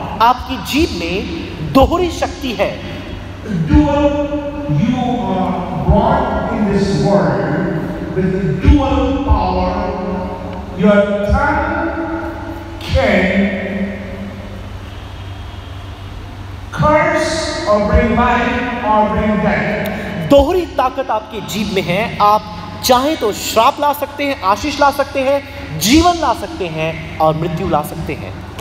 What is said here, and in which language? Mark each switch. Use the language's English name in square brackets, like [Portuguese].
[Hindi] आपकी जीभ में दोहरी शक्ति है। [English] dual, you are born in this world with dual power, your tongue can curse or bring life or bring death। [Hindi] दोहरी ताकत आपके जीभ में है, आप चाहे तो श्राप ला सकते हैं, आशीष ला सकते हैं, जीवन ला सकते हैं और मृत्यु ला सकते हैं।